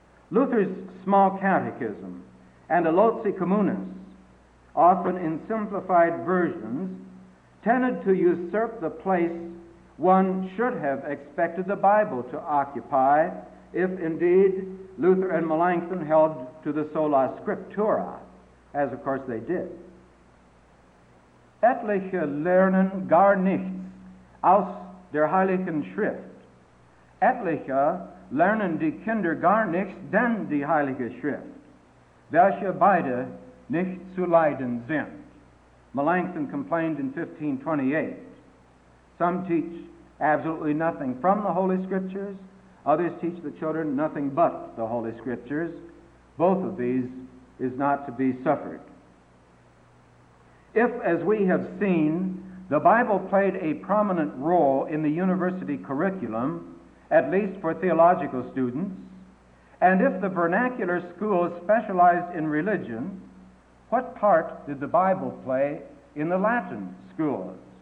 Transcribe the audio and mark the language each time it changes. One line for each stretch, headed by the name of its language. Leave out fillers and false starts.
English: Luther's small catechism and the Loci Communes, often in simplified versions, tended to usurp the place one should have expected the Bible to occupy if indeed Luther and Melanchthon held to the sola scriptura, as of course they did.
German: Etliche lernen gar nichts aus der heiligen Schrift. Etliche lernen die Kinder gar nichts denn die heilige Schrift, welche beide nicht zu leiden sind.
English: Melanchthon complained in 1528. Some teach absolutely nothing from the Holy Scriptures. Others teach the children nothing but the Holy Scriptures. Both of these is not to be suffered. If, as we have seen, the Bible played a prominent role in the university curriculum, at least for theological students, and if the vernacular schools specialized in religion, what part did the Bible play in the Latin schools?